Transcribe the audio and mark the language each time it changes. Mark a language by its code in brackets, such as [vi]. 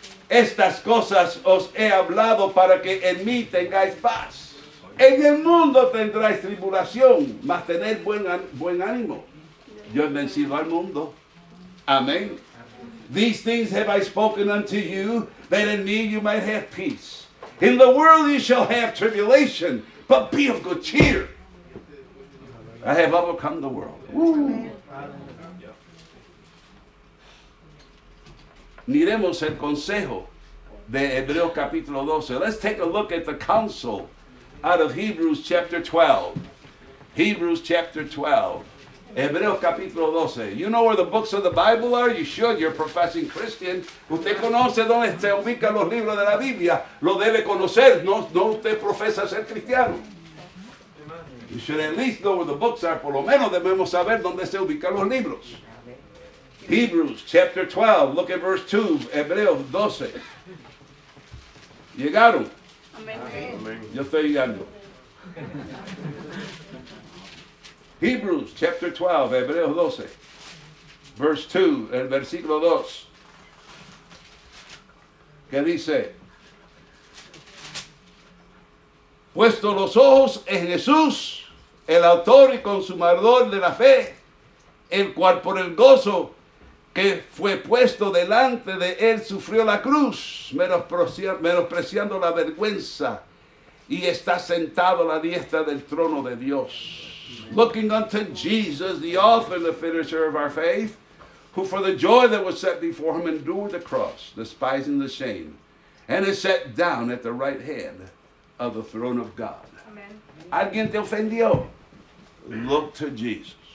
[es] Estas cosas os he hablado para que en mí tengáis paz. En el mundo tendráis tribulación, mas tened buen ánimo. Yo he vencido al mundo. Amén. [en] These things have I spoken unto you, that in me you might have peace. In the world you shall have tribulation, but be of good cheer. I have overcome the world. Woo. [es] Miremos el consejo de Hebreos capítulo 12. [en] Let's take a look at the counsel out of Hebrews chapter 12. Hebrews chapter 12. [es] Hebreos capítulo 12. [en] You know where the books of the Bible are? You should. You're a professing Christian. [es] Usted conoce dónde se ubican los libros de la Biblia. Lo debe conocer. No usted profesa ser cristiano. [en] You should at least know where the books are. [es] Por lo menos debemos saber dónde se ubican los libros. [en] Hebrews chapter 12. Look at verse 2. Hebreos 12. [es] ¿Llegaron? Amén. Yo estoy llegando. [en] Hebrews chapter 12, [es] Hebreos 12, verse 2, el versículo 2, que dice, puesto los ojos en Jesús, el autor y consumador de la fe, el cual por el gozo que fue puesto delante de él sufrió la cruz, menospreciando la vergüenza, y está sentado a la diestra del trono de Dios. [en] Looking unto Jesus, the author and the finisher of our faith, who for the joy that was set before him endured the cross, despising the shame, and is set down at the right hand of the throne of God. Amen. [es] ¿Alguien te ofendió? [en] Look to Jesus.